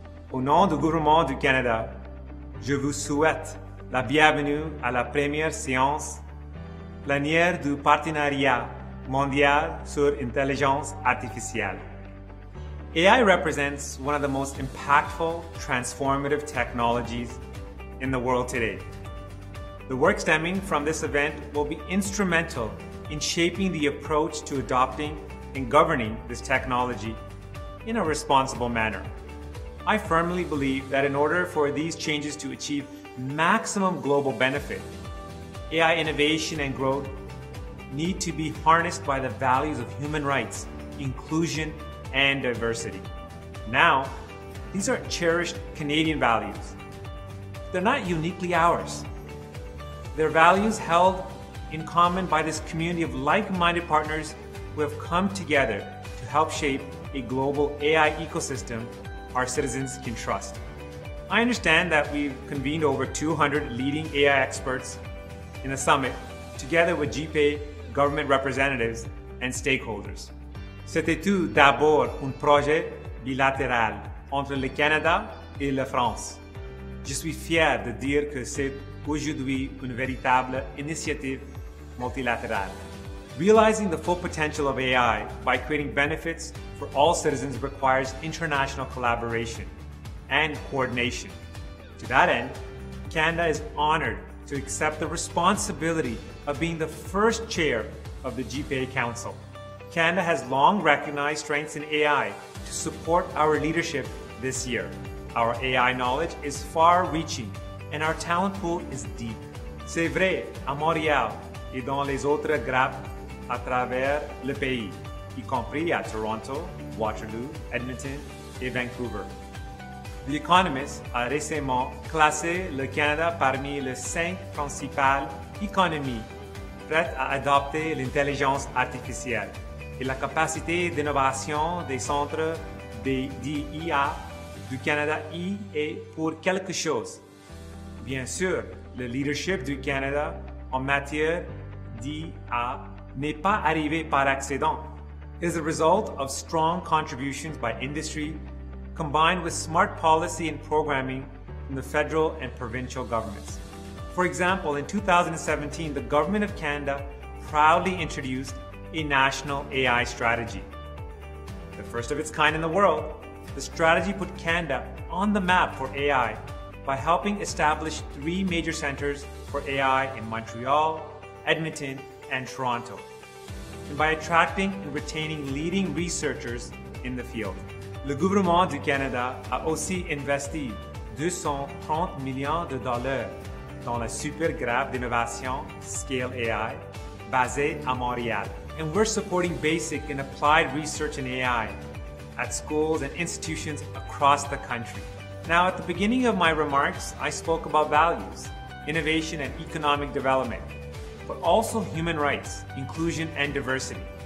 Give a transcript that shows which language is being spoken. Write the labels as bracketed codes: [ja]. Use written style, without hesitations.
[fr] Au nom du gouvernement du Canada, je vous souhaite la bienvenue à la première séance plénière du partenariat mondial sur intelligence artificielle. [en] AI represents one of the most impactful, transformative technologies in the world today. The work stemming from this event will be instrumental in shaping the approach to adopting and governing this technology in a responsible manner. I firmly believe that in order for these changes to achieve maximum global benefit, AI innovation and growth need to be harnessed by the values of human rights, inclusion, and diversity. Now, these are cherished Canadian values. They're not uniquely ours. They're values held in common by this community of like-minded partners who have come together to help shape a global AI ecosystem our citizens can trust. I understand that we've convened over 200 leading AI experts in the summit, together with GPAI government representatives and stakeholders. [fr] C'était tout d'abord un projet bilatéral entre le Canada et la France. Je suis fier de dire que c'est aujourd'hui une véritable initiative multilatérale. [en] Realizing the full potential of AI by creating benefits for all citizens requires international collaboration and coordination. To that end, Canada is honored to accept the responsibility of being the first chair of the GPAI Council. Canada has long recognized strengths in AI to support our leadership this year. Our AI knowledge is far-reaching and our talent pool is deep. [fr] C'est vrai, à Montréal et dans les autres grappes à travers le pays, y compris à Toronto, Waterloo, Edmonton et Vancouver. The Economist a récemment classé le Canada parmi les cinq principales économies prêtes à adopter l'intelligence artificielle. Et la capacité d'innovation des centres d'IA du Canada y est pour quelque chose. Bien sûr, le leadership du Canada en matière d'IA n'est pas arrivé par accident. [en] It is a result of strong contributions by industry combined with smart policy and programming from the federal and provincial governments. For example, in 2017, the government of Canada proudly introduced a national AI strategy. The first of its kind in the world, the strategy put Canada on the map for AI by helping establish three major centers for AI in Montreal, Edmonton, and Toronto, and by attracting and retaining leading researchers in the field. [fr] Le gouvernement du Canada a aussi investi 230 millions de dollars dans la super grappe d'innovation Scale AI basée à Montréal. [en] And we're supporting basic and applied research in AI at schools and institutions across the country. Now, at the beginning of my remarks, I spoke about values, innovation and economic development, but also human rights, inclusion and diversity.